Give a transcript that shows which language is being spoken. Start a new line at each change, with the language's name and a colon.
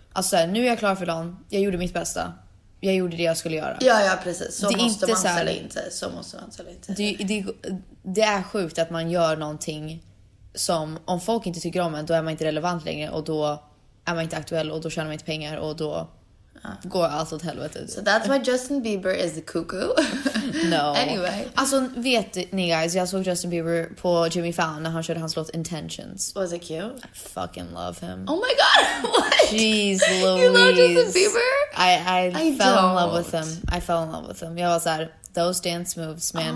Swedish: Alltså, nu är jag klar för dagen. Jag gjorde mitt bästa. Jag gjorde det jag skulle göra. Ja, precis. Så det måste inte man ställa här, inte. Så måste man ställa inte. Det är sjukt att man gör någonting som, om folk inte tycker om en, då är man inte relevant längre. Och då är man inte aktuell och då tjänar man inte pengar. Och då går allt åt helvete.
English: So that's why Justin Bieber is the cuckoo. No. Anyway.
Swedish: Alltså, vet ni guys, jag såg Justin Bieber på Jimmy Fallon när han körde hans låt Intentions.
English: Was it cute? I fucking love him. Oh my god, what? Jeez Louise. You love Justin Bieber? I fell in love with him.
Swedish: Jag var såhär,
English: those dance moves, man.